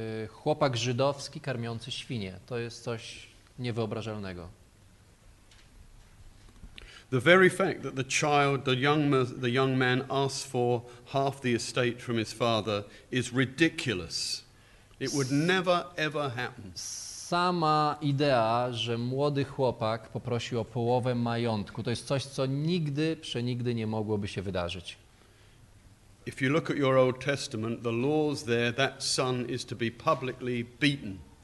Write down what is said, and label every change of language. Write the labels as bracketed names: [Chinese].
[Polish] Chłopak żydowski karmiący świnie. To jest coś niewyobrażalnego. [English] The very fact that the child, the young man asks for half the estate from his father is ridiculous. It would never ever happen. [Polish] Sama idea, że młody chłopak poprosił o połowę majątku, to jest coś, co nigdy, przenigdy nie mogłoby się wydarzyć. [English] If you look at your Old Testament, the laws there, that son is to be publicly beaten.